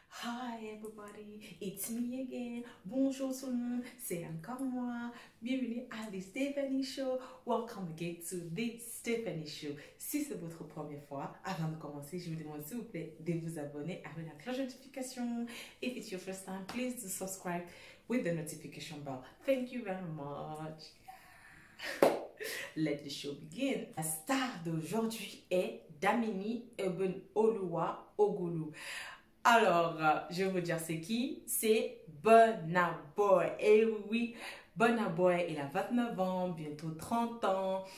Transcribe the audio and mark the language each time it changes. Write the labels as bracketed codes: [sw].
[en] Hi everybody, it's me again. [fr] Bonjour tout le monde, c'est encore moi. Bienvenue à The Stephanie Show. [en] Welcome again to The Stephanie Show. [fr] Si c'est votre première fois, avant de commencer, je vous demande s'il vous plaît de vous abonner avec la cloche de notification. [en] If it's your first time, please do subscribe with the notification bell. Thank you very much. Let the show begin. [fr] La star d'aujourd'hui est Damini Eben Oluwa Ogulu. Alors, je vais vous dire c'est qui? C'est Burna Boy. Eh oui, Burna Boy, il a 29 ans, bientôt 30 ans.